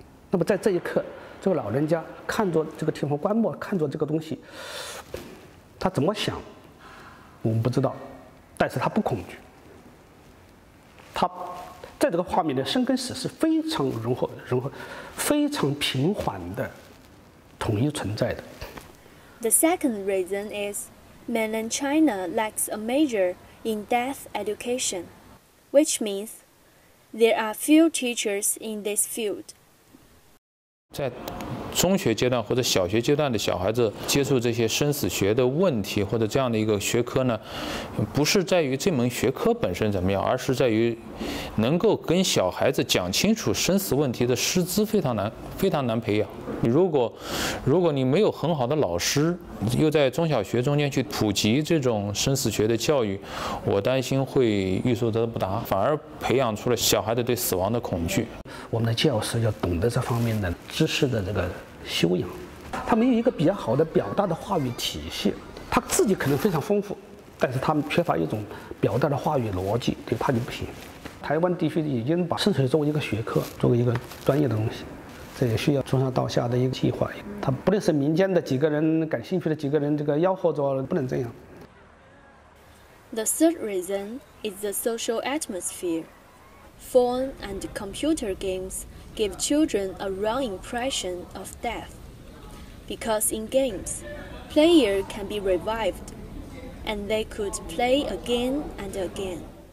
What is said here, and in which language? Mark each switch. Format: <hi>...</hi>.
<zh>那么在这一刻，这个老人家看着这个停放棺木，看着这个东西，他怎么想我们不知道，但是他不恐惧，他在这个画面的生跟死是非常融合非常平缓的统一存在的。</zh> <en>The second reason is mainland China lacks a major in death education, which means there are few teachers in this field.</en> <zh>在中学阶段或者小学阶段的小孩子接触这些生死学的问题或者这样的一个学科呢，不是在于这门学科本身怎么样，而是在于能够跟小孩子讲清楚生死问题的师资非常难培养。如果你没有很好的老师，又在中小学中间去普及这种生死学的教育，我担心会欲速则不达，反而培养出了小孩子对死亡的恐惧。我们的教师要懂得这方面的知识的这个修养，他没有一个比较好的表达的话语体系，他自己可能非常丰富，但是他们缺乏一种表达的话语逻辑，对他就不行。台湾地区已经把生死作为一个学科，作为一个专业的东西，这也需要从上到下的一个计划，他不能是民间的几个人感兴趣的几个人这个吆喝着，不能这样。</zh> <en>The third reason is the social atmosphere. Phone and computer games give children a wrong impression of death, because in games, player can be revived, and they could play again and again.</en>